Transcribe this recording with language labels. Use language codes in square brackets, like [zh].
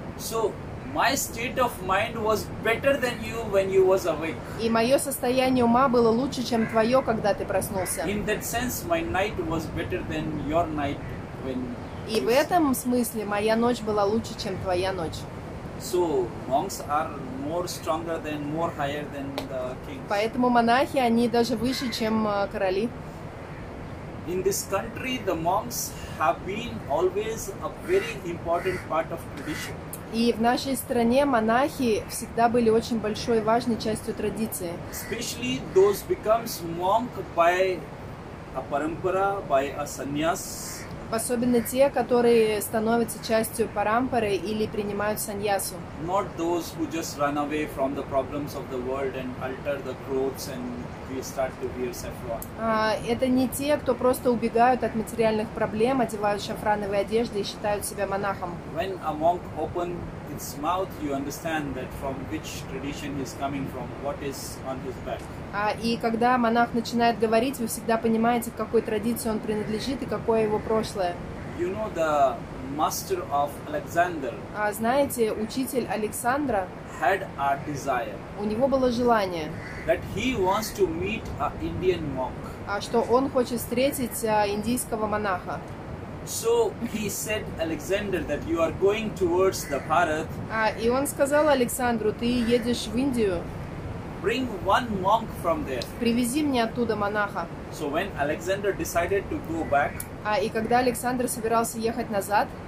[en] So my state of mind was better than you when you was awake. [ru] И мое состояние ума было лучше, чем твое, когда ты проснулся. [en] In that sense, my night was better than your night when. [ru] И в этом смысле моя ночь была лучше, чем твоя ночь. [en] So monks are more stronger than, more higher than the kings. [ru] Поэтому монахи, они даже выше, чем короли. [en] In this country, the monks have been always a very important part of tradition. [ru] И в нашей стране монахи всегда были очень большой и важной частью традиции. [en] Especially those becomes monk by a parampara, by a sannyas. [ru] Особенно те, которые становятся частью парампары или принимают саньясу. [en] Not those who just run away from the problems of the world and alter the clothes and we start to wear saffron. [ru] Это не те, кто просто убегают от материальных проблем, одевают шафрановые одежды и считают себя монахом. [en] When a monk opens its mouth, you understand that from which tradition he's coming from, what is on his back. [ru] И когда монах начинает говорить, вы всегда понимаете, к какой традиции он принадлежит и какое его прошлое. [en] You know the master of Alexander. [ru] Знаете, учитель Александра [en] had a desire. [ru] У него было желание. [en] That he wants to meet an Indian monk. [ru] Что он хочет встретить индийского монаха. [en] So he said, Alexander, that you are going towards the Bharat. [ru] И он сказал Александру, ты едешь в Индию. [en] Bring one monk from there. [ru] Привези мне оттуда монаха. [en] So when Alexander decided to go back, [ru] и когда Александр собирался ехать назад,